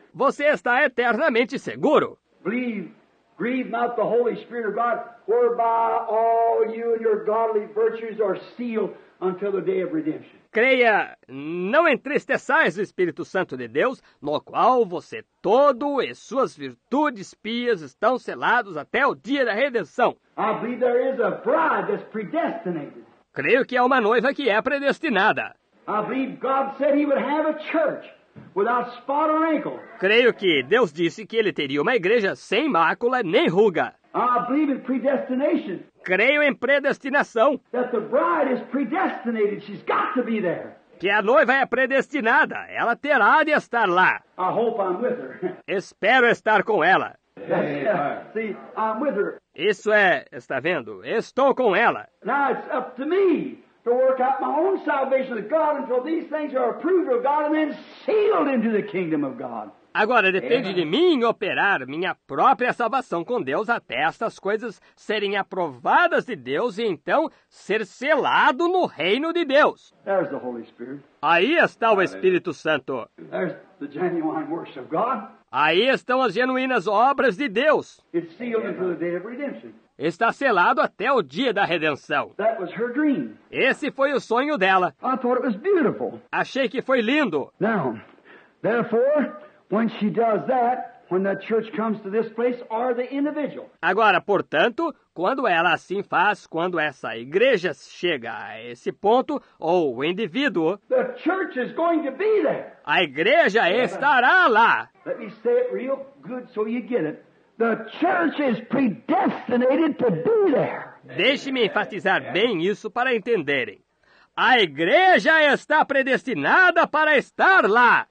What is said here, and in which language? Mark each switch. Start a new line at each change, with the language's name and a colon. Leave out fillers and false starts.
Portuguese: Você está eternamente seguro.
English: Believe. Grieve not the Holy Spirit of God, whereby all you and your godly virtues are sealed until the day of redemption.
Portuguese: Creia, não entristeçais o Espírito Santo de Deus, no qual você todo e suas virtudes pias estão selados até o dia da redenção.
English: I believe there is a bride that's predestinated.
Portuguese: Creio que há uma noiva que é predestinada.
English: I believe God said he would have a church without spot or wrinkle.
Portuguese: Creio que Deus disse que ele teria uma igreja sem mácula nem ruga.
English: I believe in predestination.
Portuguese: Creio em predestinação.
English: That the bride is predestinated. She's got to be there.
Portuguese: Que a noiva é predestinada. Ela terá de estar lá.
English: I hope I'm with her.
Portuguese: Espero estar com ela.
English: See, I'm with her.
Portuguese: Isso é, está vendo? Estou com ela.
English: Now it's up to me to work out my own salvation with God until these things are approved of God and then sealed into the kingdom of God.
Portuguese: Agora, depende de mim operar minha própria salvação com Deus até estas coisas serem aprovadas de Deus e então ser selado no reino de Deus.
English: There's the Holy Spirit.
Portuguese: Aí está o Espírito Santo.
English: There's the genuine works of God.
Portuguese: Aí estão as genuínas obras de Deus.
English: It's sealed until the day of redemption.
Portuguese: Está selado até o dia da redenção.
English: That was her dream.
Portuguese: Esse foi o sonho dela.
English: I thought it was beautiful.
Portuguese: Achei que foi lindo.
English: Now, therefore, when she does that, when that church comes to this place or the individual.
Portuguese: Agora, portanto, quando ela assim faz, quando essa igreja chega a esse ponto, ou o indivíduo,
English: the church is going to be there.
Portuguese: A igreja estará lá.
English: Let me say it real good so you get it. The church is predestinated to be there.
Portuguese: Deixe-me enfatizar bem isso para entenderem. A igreja está predestinada para estar lá.